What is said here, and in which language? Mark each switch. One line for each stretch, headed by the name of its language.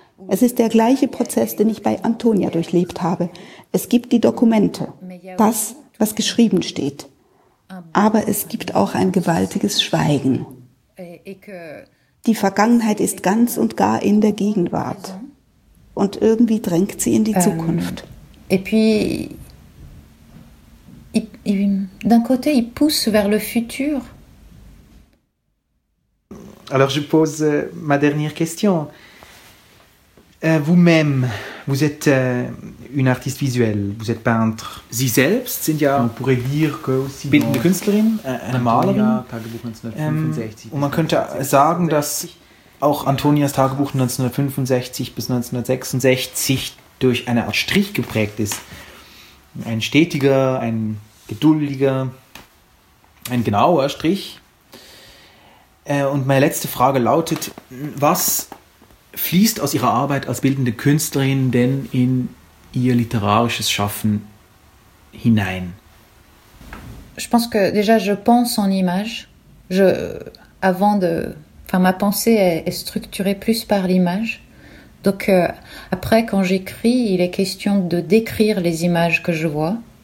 German: Es ist der gleiche Prozess, den ich bei Antonia durchlebt habe. Es gibt die Dokumente. Das, was geschrieben steht. Aber es gibt auch ein gewaltiges Schweigen. Die Vergangenheit ist ganz und gar in der Gegenwart. Und irgendwie drängt sie in die Zukunft.
French: Et puis, d'un côté, il pousse vers le futur. Alors, je pose ma dernière question. Vous-même, vous êtes une artiste visuelle, vous êtes peintre.
German: Sie selbst sind ja,
French: on pourrait dire que aussi
German: bildende Künstlerin, eine Malerin. Und man könnte sagen, dass auch Antonias Tagebuch 1965 bis 1966 durch eine Art Strich geprägt ist. Ein stetiger, ein geduldiger, ein genauer Strich. Und meine letzte Frage lautet, was fließt aus ihrer Arbeit als bildende Künstlerin denn in ihr literarisches Schaffen hinein?
French: Je pense que déjà je pense en image. Je avant de enfin ma pensée est structurée plus par l'image. Donc après quand j'écris, il est question de décrire les images que je vois.